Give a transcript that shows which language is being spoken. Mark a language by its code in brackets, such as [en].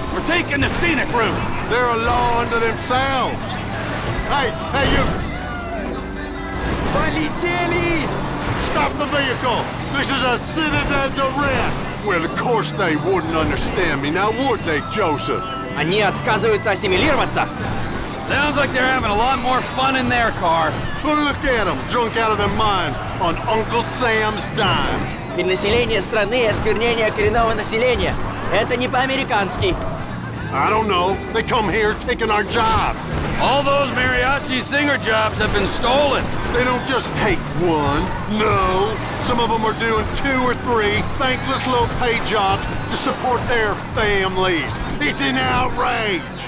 [en] We're taking the scenic route. They're a law unto themselves. Hey, you! [ru] Полетели! [en] Stop the vehicle! This is a citizen's arrest! Well, of course they wouldn't understand me, now would they, Joseph? [ru] Они отказываются ассимилироваться. [en] Sounds like they're having a lot more fun in their car. Look at them, drunk out of their minds on Uncle Sam's dime. [ru] Перенаселение страны – осквернение коренного населения. Это не по-американски. [en] I don't know. They come here taking our job. All those mariachi singer jobs have been stolen. They don't just take one. No. Some of them are doing 2 or 3 thankless low-paid jobs to support their families. It's an outrage.